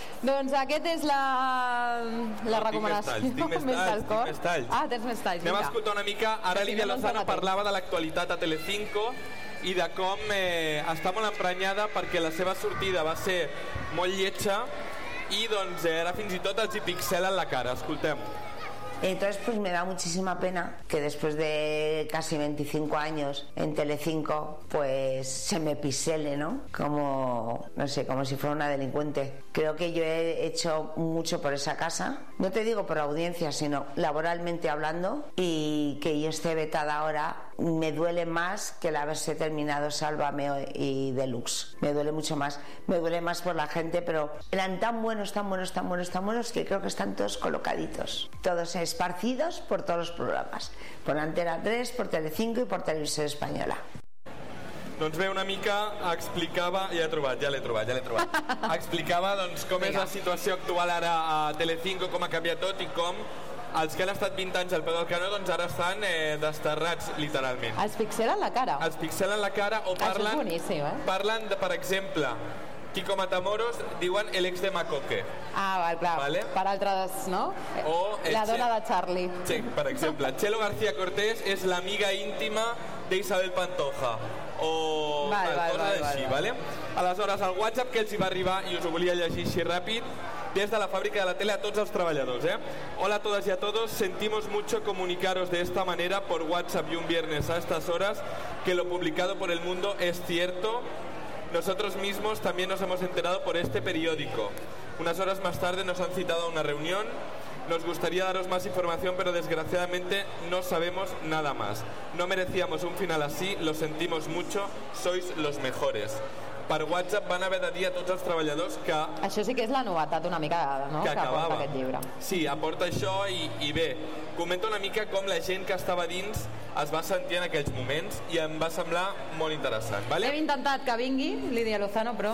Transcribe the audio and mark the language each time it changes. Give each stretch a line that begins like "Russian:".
Catalan: Doncs aquest és la recomanació. Tinc més talls. Ah, tens més talls. Anem a escoltar una mica. Ara Lídia Lozano parlava de l'actualitat a Telecinco i de com està molt emprenyada perquè la seva sortida va ser molt lletja i doncs ara fins i tot els hi pixelen la cara. Escoltem.
Spanish: Entonces pues me da muchísima pena que después de casi 25 años en Telecinco pues se me pisele, ¿no? Como, no sé, como si fuera una delincuente. Creo que yo he hecho mucho por esa casa, no te digo por audiencia, sino laboralmente hablando, y que yo esté vetada ahora me duele más que el haberse terminado Sálvame y Deluxe. Me duele mucho más. Me duele más por la gente, pero eran tan buenos, tan buenos, tan buenos, tan buenos, que creo que están todos colocaditos. Todos esparcidos por todos los programas. Por Antena 3, por Telecinco y por Televisión Española.
Catalan: Doncs bé, una mica explicava... Ja l'he trobat. Explicava doncs, com Vinga. És la situació actual ara a Telecinco, com ha canviat tot i com... Els que han estat 20 anys al peu del canó, doncs ara estan desterrats, literalment. Es pixelen la cara. Es pixelen la cara o parlen... Això és boníssim, eh? Parlen, de, per exemple, Kiko Matamoros, diuen
Spanish: el ex de Makoke.
Catalan: Ah, val, clar. Vale? Per altres, no? O la dona de Charlie. Sí, per exemple. Txelo García Cortés és l'amiga íntima d'Isabel Pantoja. O... Val. Aleshores, el WhatsApp que els hi va arribar, i us ho volia llegir així ràpid, des de la fàbrica de la tele a tots els treballadors, eh?
Spanish: Hola a todas y a todos, sentimos mucho comunicaros de esta manera por WhatsApp y un viernes a estas horas que lo publicado por El Mundo es cierto. Nosotros mismos también nos hemos enterado por este periódico. Unas horas más tarde nos han citado a una reunión. Nos gustaría daros más información, pero desgraciadamente no sabemos nada más. No merecíamos un final así, lo sentimos mucho, sois los mejores.
Catalan: Per WhatsApp van haver de dir a tots els treballadors que... Això sí que és la novetat una mica, no?, que aporta aquest llibre. Sí, aporta això i bé, comenta una mica com la gent que estava dins es va sentir en aquells moments i em va semblar molt interessant. Vale? Hem intentat que vingui Lídia Lozano, però